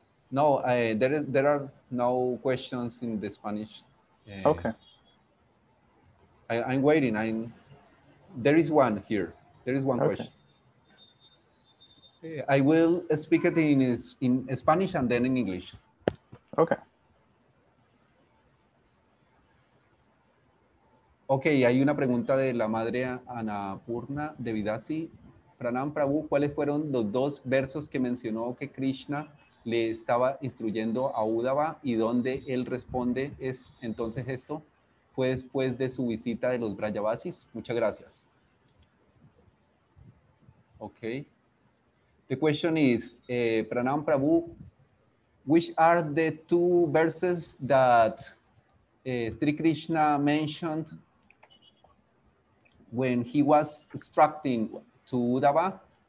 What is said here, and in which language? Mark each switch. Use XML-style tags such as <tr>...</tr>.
<en>No, there are no questions in the Spanish. Okay. I'm waiting. There is one here. There is one question. I will speak it in Spanish and then in English. Okay.</en> <es>Okay, hay una pregunta de la madre Annapurna de Vidasi. Pranam Prabhu, ¿cuáles fueron los dos versos que mencionó que Krishna le estaba instruyendo a Uddhava y donde él responde es entonces esto fue después de su visita de los Brajavasis? Muchas gracias.</es> <en>Okay. The question is, Pranam Prabhu, which are the two verses that Sri Krishna mentioned when he was instructing to Uddhava?</en>